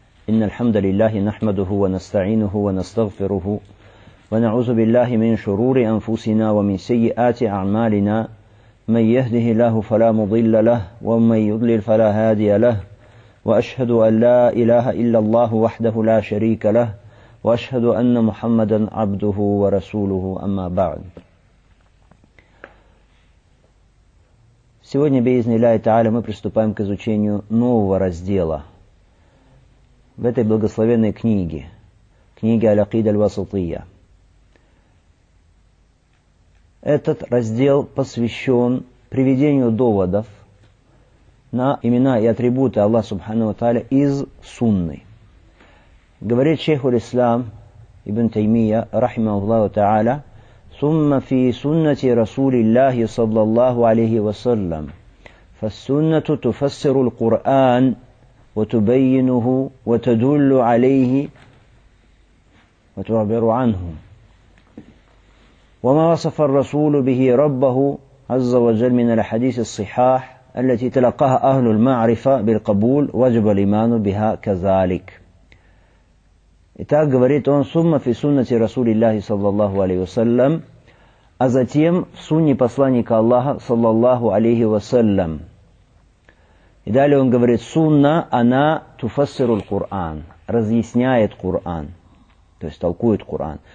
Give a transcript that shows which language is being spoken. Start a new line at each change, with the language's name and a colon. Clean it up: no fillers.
Arabic: إن الحمد لله نحمده ونستعينه ونستغفره ونعوذ بالله من شرور أنفسنا ومن سيئات أعمالنا، من يهده الله فلا مضل له ومن يضلل فلا هادي له، وأشهد أن لا إله إلا الله وحده لا شريك له، وأشهد أن محمدا عبده ورسوله، أما بعد.
Russian: Сегодня,
Arabic: بإذن الله تعالى,
Russian: мы приступаем к изучению нового раздела в этой благословенной книге, книге Аль-Акида Аль-Васатия. Этот раздел посвящен приведению доводов на имена и атрибуты Аллаха Субхану Тааля из Сунны. Говорит шейху Ислам Ибн Таймия, рахимахуллаху тааля,
Arabic: ثم في سنة رسول الله صلى الله عليه وسلم فالسنة تفسر القرآن وتبينه وتدل عليه وتعبر عنه وما وصف الرسول به ربه عز وجل من الحديث الصحاح التي تلقاها أهل المعرفة بالقبول وجب الإيمان بها كذلك.
Russian: Итак, говорит он,
Arabic: ثم في سنة رسول الله صلى الله عليه وسلم,
Russian: а затем в сунне посланника Аллаха, саллаллаху алейхи вассалям. И далее он говорит, сунна, она туфассируль Кур'ан, разъясняет Кур'ан, то есть толкует Кур'ан.